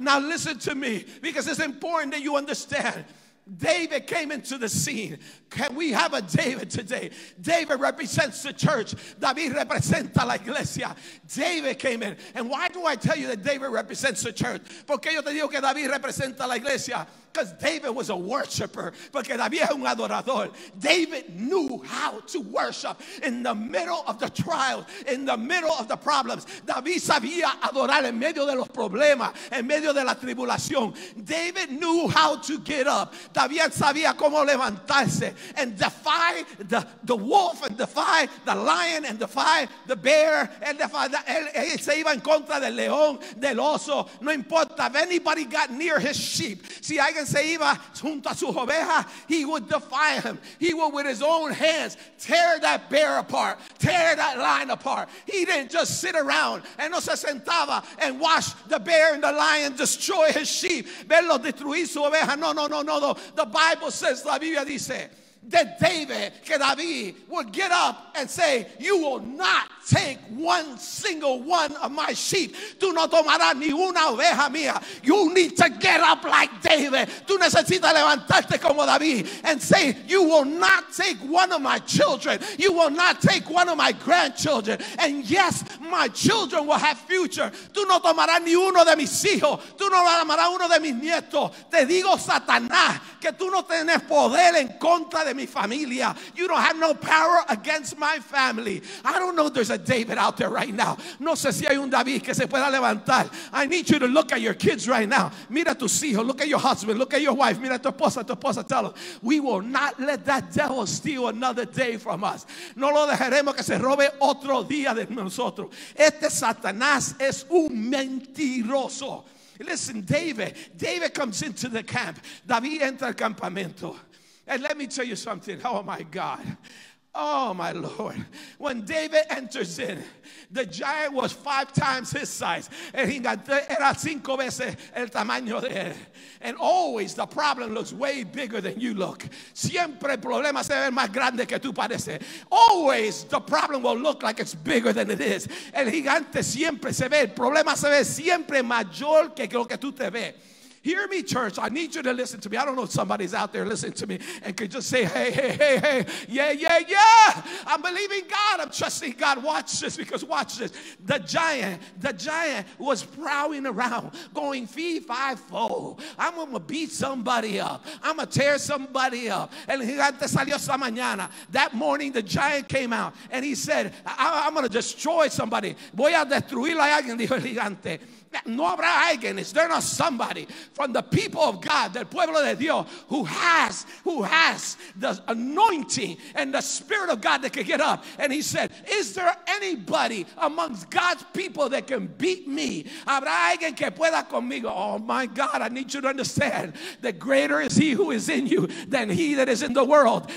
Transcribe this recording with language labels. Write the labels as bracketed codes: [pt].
[en] Now listen to me, because it's important that you understand. David came into the scene. Can we have a David today? David represents the church. David representa la iglesia. David came in. And why do I tell you that David represents the church? [es] ¿Por qué yo te digo que David representa la iglesia? [en] Because David was a worshiper. Porque David es un adorador. David knew how to worship in the middle of the trials, in the middle of the problems. [es] David sabía adorar en medio de los problemas, en medio de la tribulación. [en] David knew how to get up. David sabía cómo levantarse. And defy the wolf, and defy the lion, and defy the bear. [es] Él se iba en contra del león, del oso. No importa if anybody got near his sheep. Si alguien se iba junto a sus ovejas, he would defy him. [en] He would with his own hands tear that bear apart, tear that lion apart. He didn't just sit around and no se sentaba and watch the bear and the lion destroy his sheep. Verlo destruir su oveja. No. The Bible says, la Biblia dice, that David, que David would get up and say, you will not take one single one of my sheep. Tú no tomarás ni una oveja mía. You need to get up like David. Tú necesitas levantarte como David and say, you will not take one of my children. You will not take one of my grandchildren. And yes, my children will have future. [es] Tú no tomarás ni uno de mis hijos. Tú no tomarás uno de mis nietos. Te digo, Satanás, que tú no tienes poder en contra de de mi familia. [en] You don't have no power against my family. I don't know if there's a David out there right now. [es] No sé si hay un David que se pueda levantar. [en] I need you to look at your kids right now. Mira a tus hijos. Look at your husband. Look at your wife. Mira a tu esposa. Tu esposa. Tell them. We will not let that devil steal another day from us. [es] No lo dejaremos que se robe otro día de nosotros. Este Satanás es un mentiroso. [en] Listen, David comes into the camp. David entra al campamento. And let me tell you something. Oh, my God. Oh, my Lord. When David enters in, the giant was 5 times his size. El gigante era 5 veces el tamaño de él. And always the problem looks way bigger than you look. Siempre el problema se ve más grande que tú pareces. Always the problem will look like it's bigger than it is. El gigante siempre se ve, el problema se ve siempre mayor que lo que tú te ves. Hear me, church. I need you to listen to me. I don't know if somebody's out there listening to me and could just say, hey, hey, hey, hey. Yeah, yeah, yeah. I'm believing God. I'm trusting God. Watch this, because watch this. The giant was prowling around going fee-fi-fo. I'm going to beat somebody up. I'm going to tear somebody up. El gigante salió esta mañana. That morning, the giant came out and he said, I'm going to destroy somebody. [es] Voy a destruir a alguien, dijo el gigante. No habrá alguien. [en] Is there not somebody from the people of God, del pueblo de Dios, who has the anointing and the spirit of God that can get up? And he said, is there anybody amongst God's people that can beat me? Habrá alguien que pueda conmigo? Oh my God, I need you to understand that greater is he who is in you than he that is in the world.